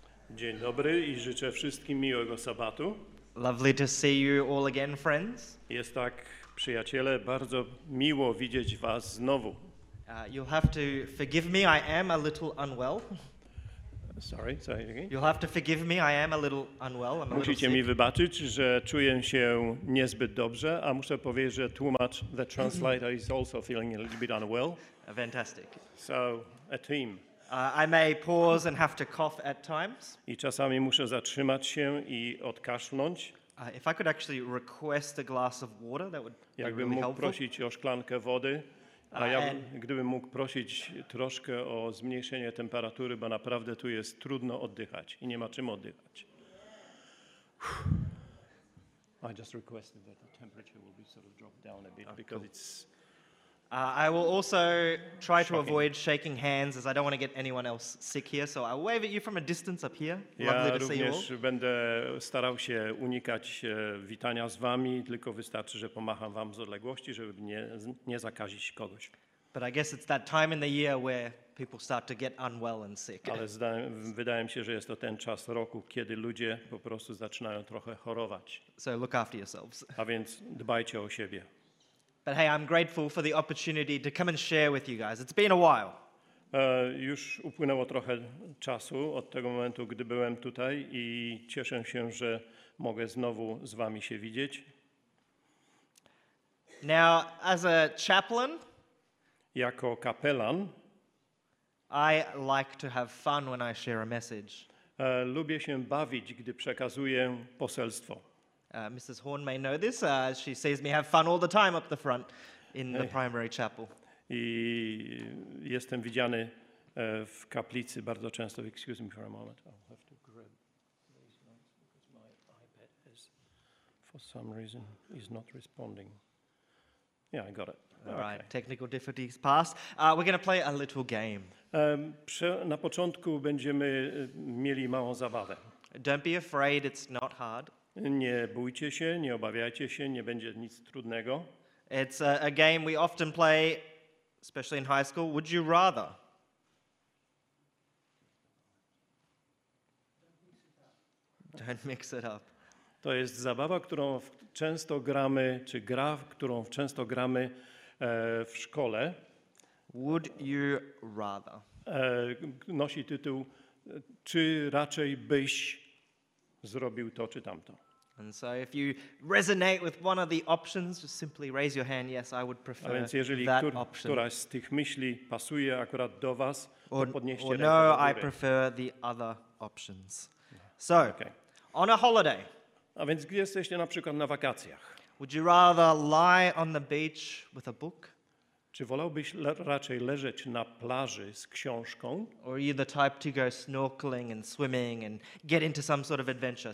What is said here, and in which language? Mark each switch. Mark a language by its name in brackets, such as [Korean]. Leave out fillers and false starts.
[Polish] Dzień dobry i życzę wszystkim miłego sabatu. [English] Lovely to see you all again, friends. [Polish] Jest tak, przyjaciele, bardzo miło widzieć was znowu. [English] You'll have to forgive me, I am a little unwell. Sorry again. You'll have to forgive me, I am a little unwell. [Polish] Musicie mi wybaczyć, że czuję się niezbyt dobrze, a muszę powiedzieć, że tłumacz, [English] the translator, is also feeling a little bit unwell. Fantastic. So, a team. I may pause and have to cough at times. [Polish] I czasami muszę zatrzymać się i odkaszlnąć. [English] If I could actually request a glass of water, that would be really helpful. [Polish] Jakbym mógł prosić o szklankę wody, gdybym mógł prosić troszkę o zmniejszenie temperatury, bo naprawdę tu jest trudno oddychać i nie ma czym oddychać. [English] I just requested that the temperature will be sort of dropped down a bit because it's... I will also try to avoid shaking hands as I don't want to get anyone else sick here, so I wave at you from a distance up here. Lovely [Polish] ja [English] to see you. [Polish] Ja również będę starał się unikać witania z wami, tylko wystarczy, że pomacham wam z odległości, żeby nie zakazić kogoś. [English] But I guess it's that time in the year where people start to get unwell and sick. [Polish] Ale wydaje mi się, że jest to ten czas roku, kiedy ludzie po prostu zaczynają trochę chorować. [English] So look after yourselves. [Polish] A więc dbajcie o siebie. [English] But hey, I'm grateful for the opportunity to come and share with you guys. It's been a while. [Polish] Już upłynęło trochę czasu od tego momentu, gdy byłem tutaj i cieszę się, że mogę znowu z wami się widzieć. [English] Now, as a chaplain, [Polish] jako kapelan, [English] I like to have fun when I share a message. [Polish] Lubię się bawić, gdy przekazuję poselstwo. [English] Mrs. Horn may know this. She sees me have fun all the time up the front in the primary chapel. [Polish] I jestem widziany w kaplicy bardzo często. [English] Excuse me for a moment. I'll have to grab these ones because my iPad is, for some reason, is not responding. Yeah, I got it. All right, okay. Technical difficulties passed. We're going to play a little game. [Polish] Na początku będziemy mieli małą zabawę. [English] Don't be afraid, it's not hard. [Polish] Nie bójcie się, nie obawiajcie się, nie będzie nic trudnego. [English] It's a game we often play, especially in high school. Would you rather? Don't mix it up. [Polish] To jest zabawa, którą często gramy, czy gra, którą często gramy w szkole. [English] Would you rather? [Polish] Nosi tytuł, czy raczej byś zrobił to, czy tamto. [English] And so if you resonate with one of the options, just simply raise your hand. Yes, I would prefer that option. [Polish] A więc jeżeli któraś z tych myśli pasuje akurat do was, [English] or, [Polish] to podnieście rękę. [English] No, I prefer the other options. So, okay. On a holiday. [Polish] A więc gdy jesteście na przykład na wakacjach? [English] Would you rather lie on the beach with a book? [Polish] Czy wolałbyś raczej leżeć na plaży z książką? [English] Or are you the type to go snorkeling and swimming and get into some sort of adventure?